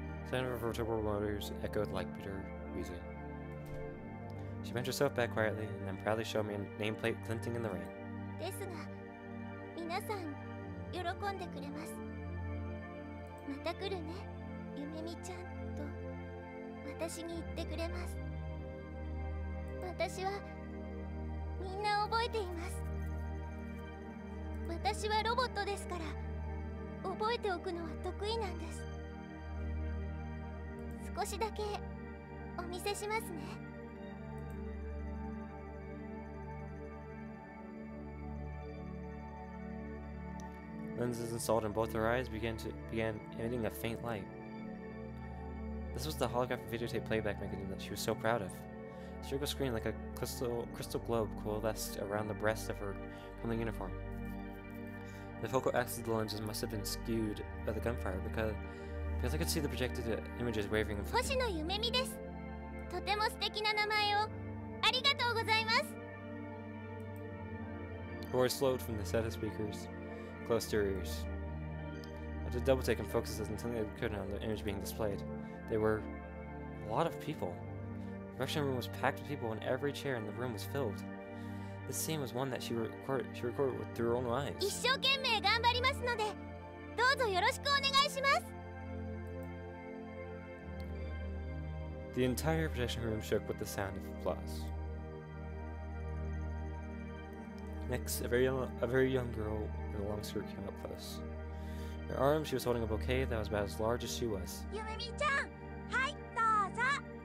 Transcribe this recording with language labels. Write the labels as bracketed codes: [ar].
[en] Sound of her turbo motors echoed like bitter wheezing. She bent herself back quietly and then proudly showed me a nameplate glinting in the rain. [ja] ですが、皆さん喜んでくれます。また来るね、ゆめみちゃんと。私に言ってくれます。私はみんな覚えています。私はロボットですから覚えておくのは得意なんです。少しだけお見せしますね。 [en] Lenses installed in both her eyes began emitting a faint light. This was the holographic videotape playback mechanism that she was so proud of. A circle screen like a crystal globe coalesced around the breast of her crumbling uniform. The focal axis of the lenses must have been skewed by the gunfire because I could see the projected images wavering. [ja] 星野夢美です。とても素敵な名前をありがとうございます。 [en] Her voice slowed from the set of speakers. Close to her ears. I did double take and focus as intently as I could on the image being displayed. There were a lot of people. The production room was packed with people, and every chair in the room was filled. This scene was one that she recorded with her own eyes. [ja] 一生懸命頑張りますので、どうぞよろしくお願いします。 [en] The entire production room shook with the sound of applause. Next, a very young girl. A long skirt came up close. In her arm, she was holding a bouquet that was about as large as she was. [ja] Yumemi-chan! Hai, dozo!